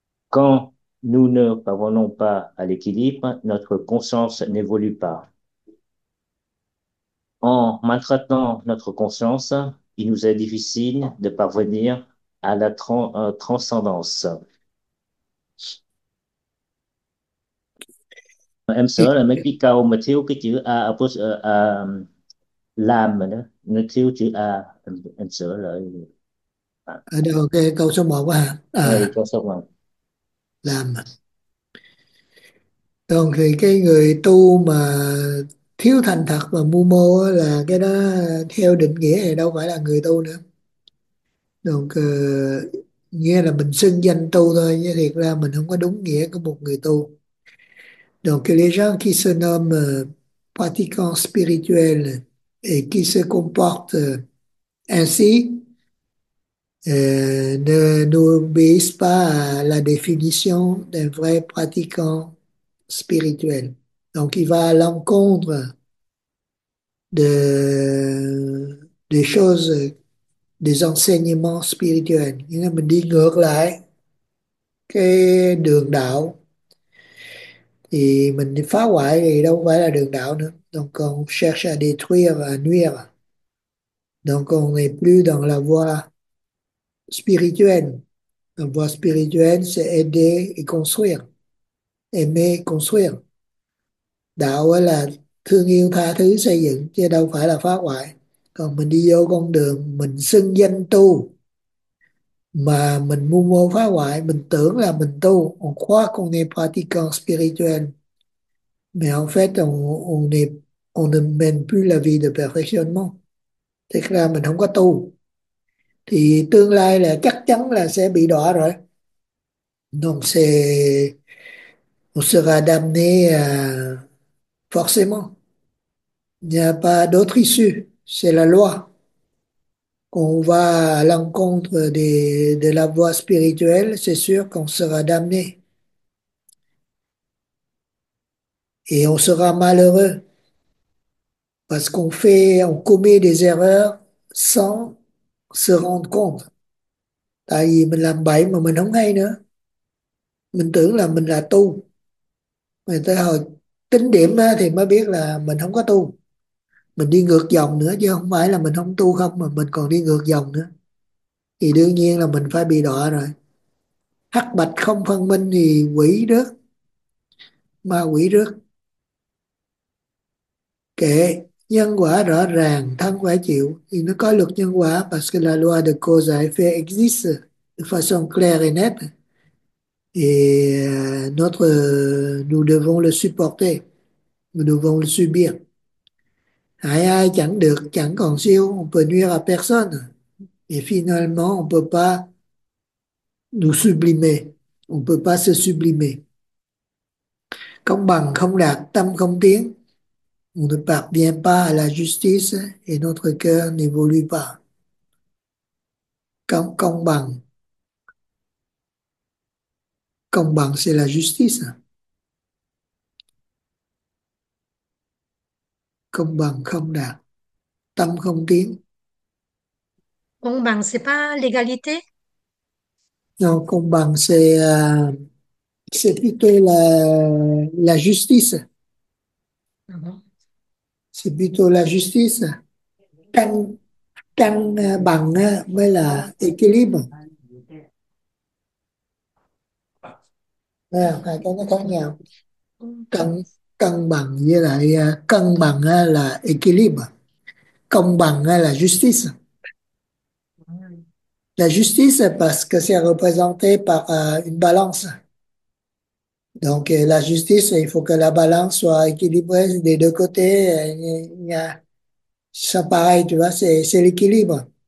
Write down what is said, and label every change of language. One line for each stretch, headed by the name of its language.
French: Quand nous ne parvenons pas à l'équilibre, notre conscience n'évolue pas. En maltraitant notre conscience, il nous est difficile de parvenir à la transcendance.
Vietnamese: Em sợ là mấy cái câu mà thiếu cái chữ A, làm mà đó, nó thiếu chữ A, em sợ là Ở đây ok, câu số 1 à. câu xong rồi. Làm. Còn thì cái người tu mà thiếu thành thật và mưu mô là cái đó theo định nghĩa thì đâu phải là người tu nữa. Còn nghĩa là mình xưng danh tu thôi, chứ thiệt ra mình không có đúng nghĩa của một người tu.
French: Donc les gens qui se nomment pratiquants spirituels et qui se comportent ainsi ne n'obéissent pas à la définition d'un vrai pratiquant spirituel. Donc il va à l'encontre de des choses, des enseignements spirituels. Il me dit
Vietnamese: ngược lại cái đường đạo. Thì mình phá hoại thì đâu phải là đường đạo nữa.
French: Donc on cherche à détruire, à nuire. Donc on n'est plus dans la voie spirituelle. La voie spirituelle, c'est aider et construire. Aimer, construire.
Vietnamese: Đạo là thương yêu, tha thứ, xây dựng, chứ đâu phải là phá hoại. Còn mình đi vô con đường mình xưng danh tu mà mình mưu mô phá hoại, mình tưởng là mình tu,
French: on croit qu'on est pratiquant spirituel, mais en fait on ne mène plus la vie de perfectionnement,
Vietnamese: tức là mình không có tu, thì tương lai là chắc chắn là sẽ bị đọa rồi.
French: Donc c'est on sera damné forcément, il n'y a pas d'autre issue, c'est la loi. Qu'on va à l'encontre de la voie spirituelle, c'est sûr qu'on sera damné. Et on sera malheureux. Parce on commet des erreurs sans se rendre compte.
Vietnamese: Tại vì mình làm bậy mà mình không hay nữa. Mình tưởng là mình là tu. Mà tới hồi tính điểm thì mới biết là mình không có tu. Mình đi ngược dòng nữa, chứ không phải là mình không tu không mà mình còn đi ngược dòng nữa, thì đương nhiên là mình phải bị đọa rồi. Hắc bạch không phân minh thì quỷ rước, ma quỷ rước. Kệ, nhân quả rõ ràng, thân phải chịu, thì nó có luật nhân quả,
French: parce que la loi de cause à effet existe de façon claire et nette, et nous devons le supporter, nous devons le subir.
Vietnamese: Hại ai chẳng được, chẳng còn siêu,
French: on peut nuire à personne. Et finalement, on peut pas nous sublimer. On peut pas se sublimer.
Vietnamese: Công bằng không đạt, tâm không tiến.
French: On ne parvient pas à la justice et notre cœur n'évolue pas.
Vietnamese: Công bằng.
French: Công bằng, c'est la justice.
Vietnamese: Công bằng không đạt, tâm không tiến.
French: Công bằng, c'est pas l'égalité. Non, công bằng c'est plutôt la justice. C'est plutôt la justice.
Vietnamese: Căng căng bằng mới là
French: équilibre.
Vietnamese: À, hai cái nó khác nhau. Cân bằng với lại cân bằng là equilibre, công bằng là justice.
French: La justice parce que c'est représenté par une balance. Donc la justice, il faut que la balance soit équilibrée des deux côtés. C'est pareil, tu vois, c'est l'équilibre.